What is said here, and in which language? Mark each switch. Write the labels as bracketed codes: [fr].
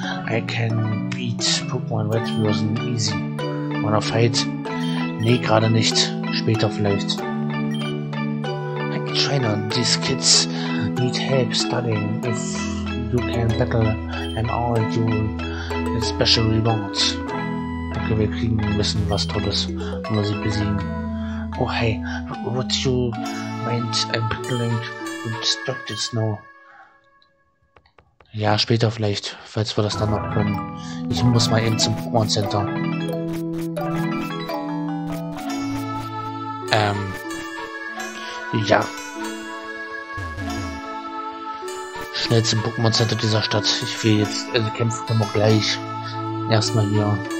[en] I can beat Pokémon Red Version easy. Wanna fight? [de] Nee, gerade nicht. Später vielleicht. [en] Trainer, these kids need help studying. If you can battle them all, you'll get special rewards. [de] Okay, wir kriegen ein bisschen was Tolles, wenn wir sie besiegen. [en] Oh hey, what you mind I'm battling instructors now? [de] Ja, später vielleicht, falls wir das dann noch können. Ich muss mal eben zum Pokémon Center. Ja. Schnell zum Pokémon Center dieser Stadt. Ich will jetzt, also kämpfen wir mal gleich. Erstmal hier.